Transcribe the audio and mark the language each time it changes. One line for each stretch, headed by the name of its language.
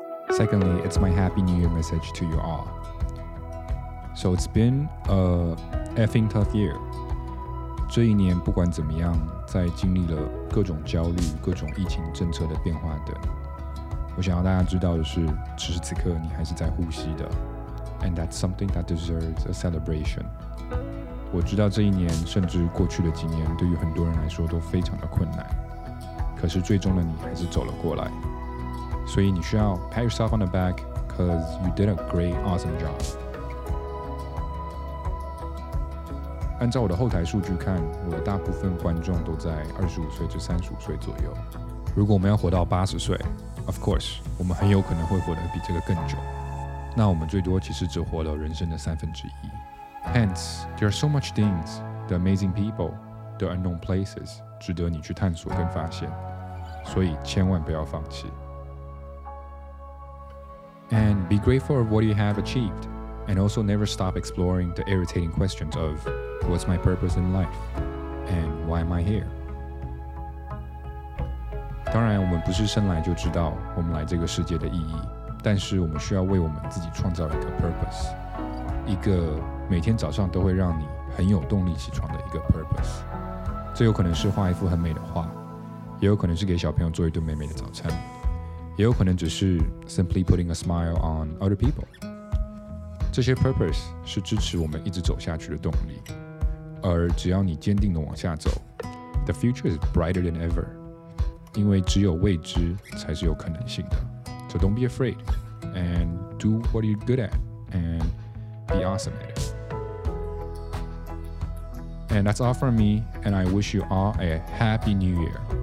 English: Secondly, it's my Happy New Year message to you all. So it's been a effing tough year.
Chinese: 这一年不管怎么样，在经历了各种焦虑、各种疫情政策的变化等，我想要大家知道的是，此时此刻你还是在呼吸的。
English: And that's something that deserves a celebration.
Chinese: 我知道这一年，甚至过去的几年，对于很多人来说都非常的困难。可是最终的你还是走了过来。所以你需要
English: pat yourself on the back, cause you did a great, awesome job.
Chinese: 按照我的后台数据看，我的大部分观众都在25岁至35岁左右。如果我们要活到80岁 ，
English: of course，
Chinese: 我们很有可能会活得比这个更久。那我们最多其实只活了人生的三分之一。
English: Hence, there are so much things, the amazing people, the unknown places，
Chinese: 值得你去探索跟发现。所以千万不要放弃。
English: And be grateful of what you have achieved. And also never stop exploring the irritating questions of what's my purpose in life? And why am I here?
Chinese: 当然我们不是生来就知道我们来这个世界的意义，但是我们需要为我们自己创造一个 purpose， 一个每天早上都会让你很有动力起床的一个 purpose。这有可能是画一幅很美的画，也有可能是给小朋友做一顿美美的早餐，也有可能只是
English: simply putting a smile on other people。
Chinese: 这些 purpose 是支持我们一直走下去的动力，而只要你坚定地往下走，
English: the future is brighter than ever，
Chinese: 因为只有未知才是有可能性的。
English: So don't be afraid and do what you're good at and be awesome at it。 And that's all from me and I wish you all a happy new year。